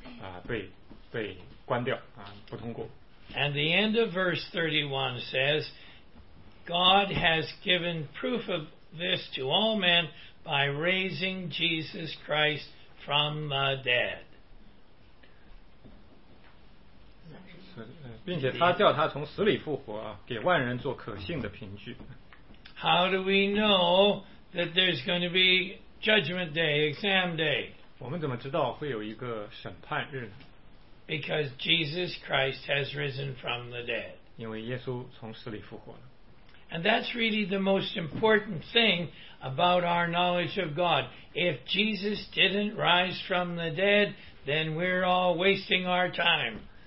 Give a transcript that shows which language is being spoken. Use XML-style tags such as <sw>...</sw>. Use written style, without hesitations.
<zh>所以这个比喻是一样的。那你看我呢，寻求知识，我去学习。我发现我错了呢，我来改正。目的原因呢，是因为最终会有一个考试，我不想考试的时候被关掉，不通过。</zh> <en>And the end of verse 31 says, God has given proof of this to all men by raising Jesus Christ from the dead.</en> <zh>并且他叫他从死里复活，给万人做可信的凭据。</zh> <en>How do we know that there's going to be judgment day, exam day?</en> <zh>我们怎么知道会有一个审判日呢？</zh> <en>Because Jesus Christ has risen from the dead.</en> <zh>因为耶稣从死里复活了。</zh> <en>And that's really the most important thing about our knowledge of God. If Jesus didn't rise from the dead, then we're all wasting our time.</en>